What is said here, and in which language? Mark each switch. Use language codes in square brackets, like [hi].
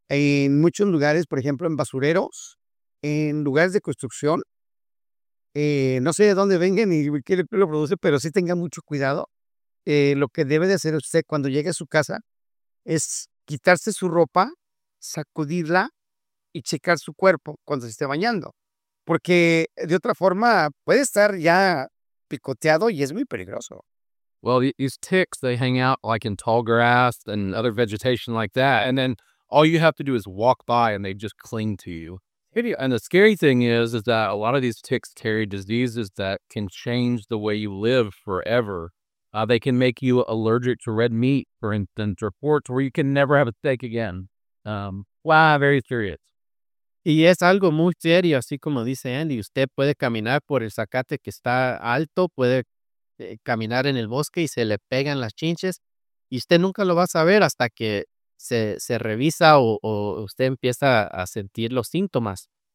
[es] En muchos lugares, por ejemplo, en basureros, en lugares de construcción, no sé de dónde vengan y qué lo produce, pero sí tengan mucho cuidado. Lo que debe de hacer usted cuando llegue a su casa es quitarse su ropa, sacudirla y checar su cuerpo cuando se esté bañando. Porque de otra forma puede estar ya picoteado y es muy peligroso. [en] Well, these ticks, they hang out like in tall grass and other vegetation like that. And then all you have to do is walk by and they just cling to you. And the scary thing is that a lot of these ticks carry diseases that can change the way you live forever. They can make you allergic to red meat, for instance, or pork, where you can never have a steak again. Very serious. [es] Y es algo muy serio, así como dice Andy. Usted puede caminar por el zacate que está alto, puede caminar en el bosque y se le pegan las chinches. Y usted nunca lo va a saber hasta que se revisa o usted empieza a sentir los síntomas.